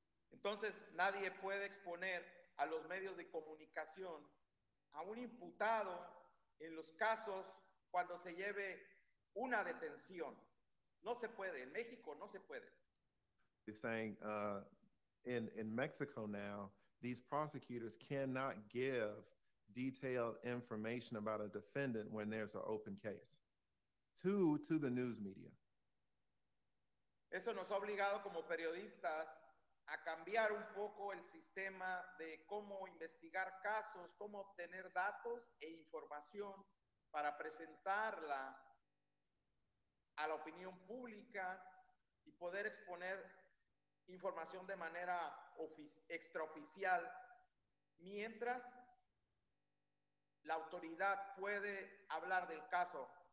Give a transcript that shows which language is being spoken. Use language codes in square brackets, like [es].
[es] Entonces, nadie puede exponer a los medios de comunicación a un imputado en los casos cuando se lleve una detención. No se puede. En México, no se puede. [en] He's saying, in Mexico now, these prosecutors cannot give detailed information about a defendant when there's an open case to the news media. [es] Eso nos ha obligado como periodistas a cambiar un poco el sistema de cómo investigar casos, cómo obtener datos e información para presentarla a la opinión pública y poder exponer información de manera extraoficial mientras la autoridad puede hablar del caso.